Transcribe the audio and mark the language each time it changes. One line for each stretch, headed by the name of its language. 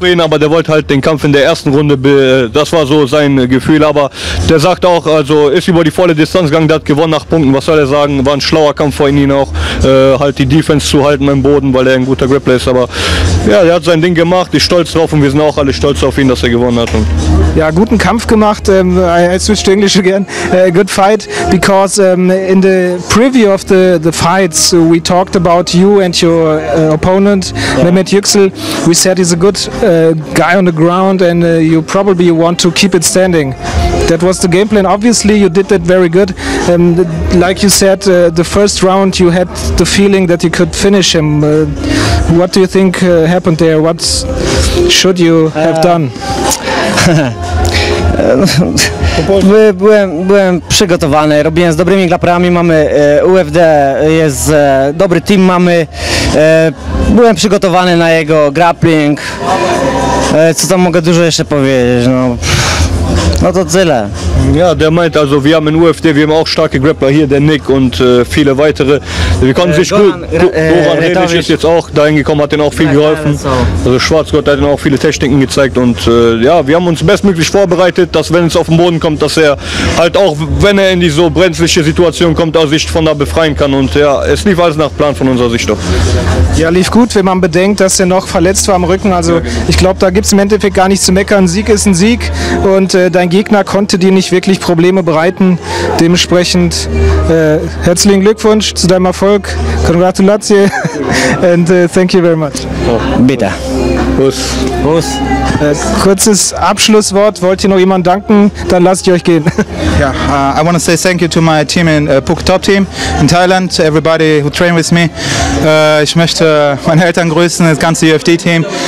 German: Zufrieden, aber der wollte halt den Kampf in der ersten Runde, das war so sein Gefühl, aber der sagt auch, also ist über die volle Distanz gegangen, der hat gewonnen nach Punkten, was soll er sagen, war ein schlauer Kampf vor ihm auch, halt die Defense zu halten beim Boden, weil er ein guter Grappler ist, aber ja, er hat sein Ding gemacht, ist stolz drauf und wir sind auch alle stolz auf ihn, dass er gewonnen hat. Und ja, guten Kampf gemacht,
English: I switch to English again, good fight, because in the preview of the fights, we talked about you and your opponent, yeah. Mehmet Yüksel, we said he's a good guy on the ground and you probably want to keep it standing. That was the game plan, obviously you did that very good. Like you said, the first round you had the feeling that you could finish him. What do you think happened there? What should you have done?
Polish: byłem przygotowany, robiłem z dobrymi grapplerami, mamy UFD, jest dobry team, mamy byłem przygotowany na jego grappling, co tam mogę dużo jeszcze powiedzieć, no. No to tyle.
German: Ja, der meint also, wir haben in UFD, wir haben auch starke Grappler hier, der Nick und viele weitere. Wir konnten sich gut. Goran Redic ist jetzt auch da hingekommen, hat denen auch viel geholfen. Also Schwarzgott hat ihnen auch viele Techniken gezeigt und ja, wir haben uns bestmöglich vorbereitet, dass wenn es auf den Boden kommt, dass er halt auch, wenn er in die so brenzliche Situation kommt, aus Sicht von da befreien kann. Und ja, es lief alles nach Plan von unserer Sicht doch. Ja, lief gut, wenn man bedenkt, dass er noch verletzt war am Rücken. Also ich glaube, da gibt es im Endeffekt gar nichts zu meckern. Sieg ist ein Sieg und dein Gegner konnte dir nicht wirklich Probleme bereiten. Dementsprechend herzlichen Glückwunsch zu deinem Erfolg.
English: Congratulazie and thank you very much.
German: Bitte. Bus. Bus. Kurzes Abschlusswort. Wollt ihr noch jemand danken? Dann lasst ihr euch gehen.
English: Ja, yeah, I want to say thank you to my team in Phuket Top Team in Thailand, everybody who trained with me.
German: Ich möchte meine Eltern grüßen, das ganze UFD Team.